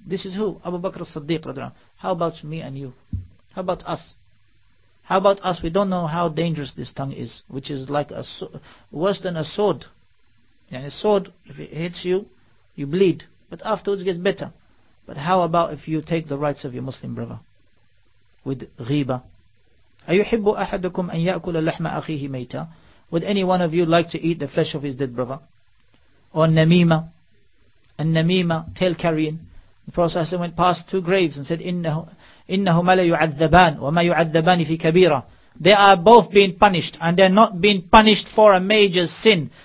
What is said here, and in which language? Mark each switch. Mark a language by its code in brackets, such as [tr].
[en] This is who? Abu Bakr as-Siddiq radiallahu anhu. How about me and you? How about us? How about us? We don't know how dangerous this tongue is, which is like worse than a sword. Yani, a sword, if it hits you, you bleed. But afterwards it gets better. But how about if you take the rights of your Muslim brother? With ghiba. [ar] أَيُحِبُّ أَحَدُكُمْ أَنْ يَأْكُلَ لَحْمَ أَخِيهِ مَيْتًا. [en] Would any one of you like to eat the flesh of his dead brother? Or namima. Al-namima, tail carrying. The Prophet ﷺ went past two graves and said, [ar] إِنَّهُمَ لَيُعَذَّبَانِ وَمَا يُعَذَّبَانِ فِي كَبِيرًا. [en] They are both being punished, and they are not being punished for a major sin.